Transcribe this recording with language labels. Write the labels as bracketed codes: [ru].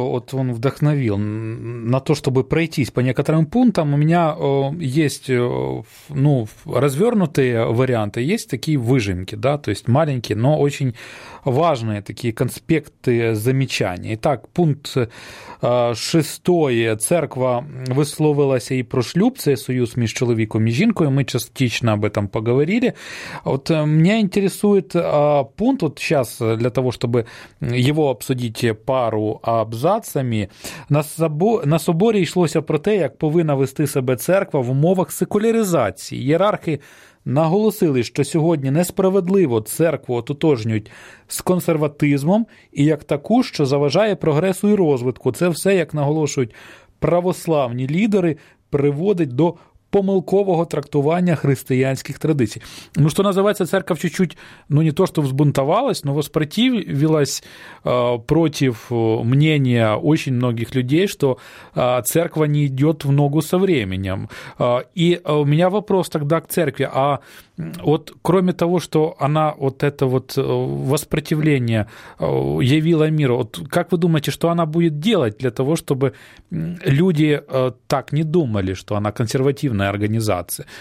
[ru] Вот он вдохновил на то, чтобы пройтись по некоторым пунктам. У меня есть развернутые варианты, есть такие выжимки, да, то есть маленькие, но очень важные такие конспекты замечаний. Итак, пункт 6. [uk] Церква висловилася и про шлюб, це союз між чоловіком і жінкою. [ru] Мы частично об этом поговорили. Вот меня интересует пункт, вот сейчас для того, чтобы его обсудить пару абзацами, на соборі йшлося про те, як повинна вести себе церква в умовах секуляризації. [uk] Єрархи наголосили, що сьогодні несправедливо церкву ототожнюють з консерватизмом і як таку, що заважає прогресу і розвитку. Це все, як наголошують православні лідери, приводить до помилкового трактування християнських традицій. [ru] Ну, що називається, церква чуть-чуть, не то, що взбунтувалась, но воспротивилась против мнения очень многих людей, что церква не идет в ногу со временем. И у меня вопрос тогда к церкви. А вот кроме того, что она вот это вот воспротивление явила миру, вот как вы думаете, что она будет делать для того, чтобы люди так не думали, что она консервативная организация?